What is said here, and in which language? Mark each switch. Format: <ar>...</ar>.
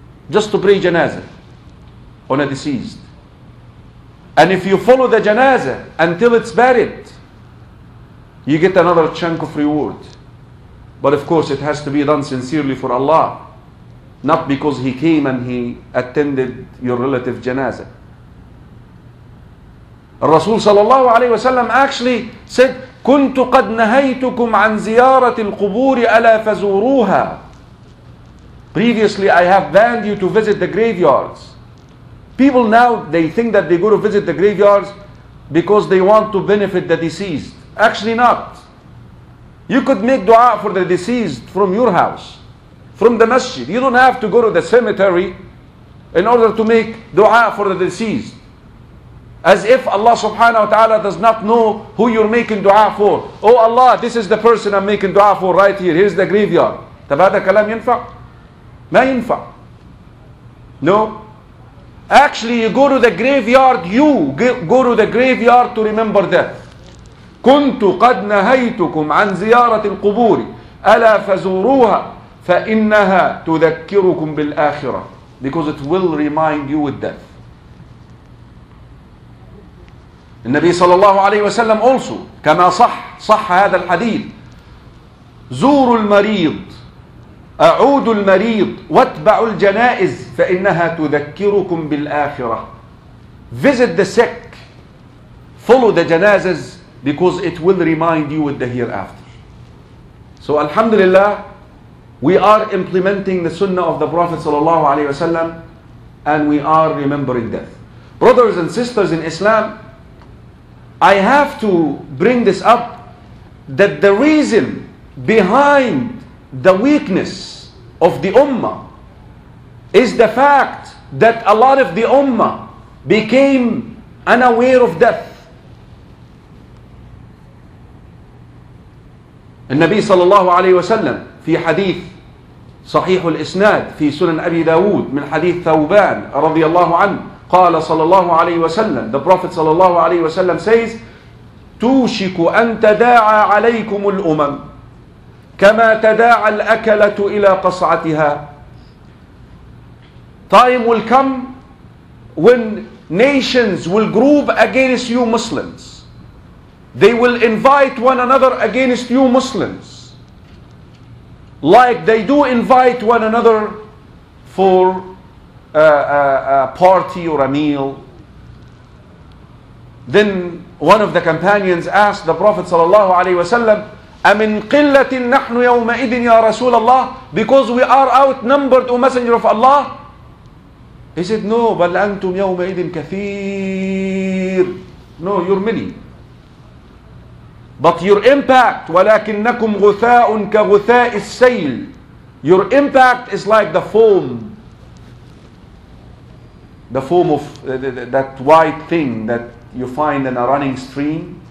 <en>Just to pray janazah on a deceased. And if you follow the janazah until it's buried, you get another chunk of reward. But of course, it has to be done sincerely for Allah, not because he came and he attended your relative janazah. Rasul sallallahu alayhi wa sallam actually said,</en> <ar>كنت قد نهيتكم عن زيارة القبور ألا فزوروها.</ar> <en>Previously, I have banned you to visit the graveyards. People now, they think that they go to visit the graveyards because they want to benefit the deceased. Actually not. You could make dua for the deceased from your house, from the masjid. You don't have to go to the cemetery in order to make dua for the deceased. As if Allah subhanahu wa ta'ala does not know who you're making dua for. Oh Allah, this is the person I'm making dua for right here. Here's the graveyard.</en> <ar>طب هذا كلام ينفع؟ ما ينفع.</ar> <en>No. Actually, you go to the graveyard, you go to the graveyard to remember that.</en> <ar>كنت قد نهيتكم عن زيارة القبور ألا فزوروها فإنها تذكركم بالآخرة.</ar> <en>Because it will remind you with death.</en> <ar>النبي صلى الله عليه وسلم</ar> <en>also</en> <ar>كما صح هذا الحديث زور المريض أعود المريض واتبع الجنائز فإنها تذكركم بالآخرة.</ar> <en>Visit the sick, follow the janazas because it will remind you with the hereafter. So alhamdulillah, we are implementing the sunnah of the Prophet صلى الله عليه وسلم and we are remembering death. Brothers and sisters in Islam, I have to bring this up that the reason behind the weakness of the Ummah is the fact that a lot of the Ummah became unaware of death.</en> <ar>النبي صلى الله عليه وسلم في حديث صحيح الإسناد في سنن أبي داود من حديث ثوبان رضي الله عنه قال صلى الله عليه وسلم,</ar> <en>the Prophet صلى الله عليه وسلم says,</en> <ar>توشك أن تداعى عليكم الأمم كما تداعى الأكلة إلى قصعتها.</ar> <en>Time will come when nations will group against you Muslims. They will invite one another against you Muslims. Like they do invite one another for a party or a meal. Then one of the companions asked the Prophet صلى الله عليه وسلم,</en> <ar>أمن قلة نحن يومئذ يا رسول الله,</ar> <en>because we are outnumbered, O Messenger of Allah. He said, no,</en> <ar>بل أنتم يومئذ كثير.</ar> <en>No, you're many. But your impact,</en> <ar>ولكنكم غثاء كغثاء السيل.</ar> <en>Your impact is like the foam. The foam of that white thing that you find in a running stream.</en>